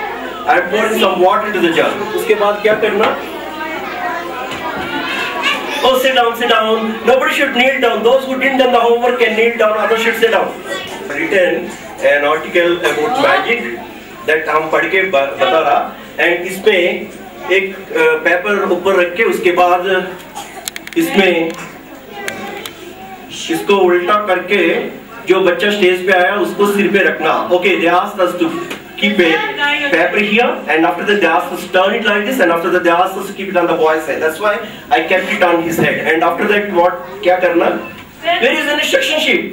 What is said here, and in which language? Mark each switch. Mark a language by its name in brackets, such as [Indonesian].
[Hindi] Uske baad kya karna? [English] Oh, sit down. Nobody should kneel down. Those who didn't do the homework can kneel down. Others should sit down. Written an article about magic that [Hindi] हम पढ़ के बता रहा. And इसमें एक paper ऊपर रख के उसके बाद इसमें इसको उल्टा करके जो बच्चा स्टेज पे आया उसको सिर पे रखना. [English] Okay, they asked us to keep a paper here and after that they asked us to turn it like this and after that they asked us to keep it on the boy's head. That's why I kept it on his head. And after that what? [Hindi] Kya karna? [English] Where is the instruction sheet?